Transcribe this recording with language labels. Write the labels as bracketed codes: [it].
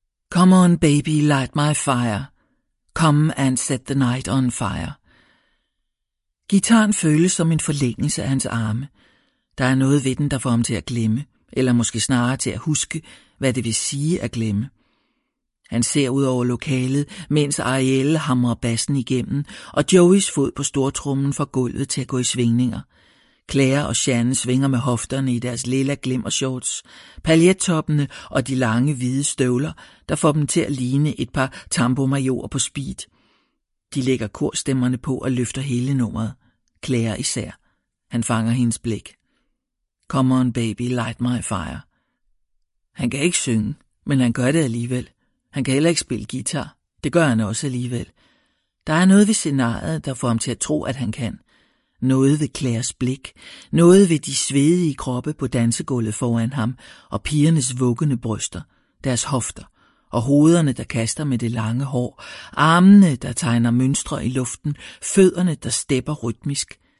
[en] Come on baby, light my fire. Come and set the night on fire. [da] Gitaren føles som en forlængelse af hans arme. Der er noget ved den, der får ham til at glemme, eller måske snarere til at huske, hvad det vil sige at glemme. Han ser ud over lokalet, mens Arielle hamrer bassen igennem, og Joeys fod på stortrummen får gulvet til at gå i svingninger. Claire og Shannon svinger med hofterne i deres lilla glimmershorts, paljettoppene og de lange hvide støvler, der får dem til at ligne et par tambomajorer på speed. De lægger korstemmerne på og løfter hele nummeret. Claire især. Han fanger hendes blik. [en] Come on baby, light my fire. [da] Han kan ikke synge, men han gør det alligevel. Han kan heller ikke spille guitar. Det gør han også alligevel. Der er noget ved scenariet, der får ham til at tro, at han kan. Noget ved Claires blik. Noget ved de svedige kroppe på dansegulvet foran ham, og pigernes vuggende bryster, deres hofter, og hovederne, der kaster med det lange hår, armene, der tegner mønstre i luften, fødderne, der stepper rytmisk.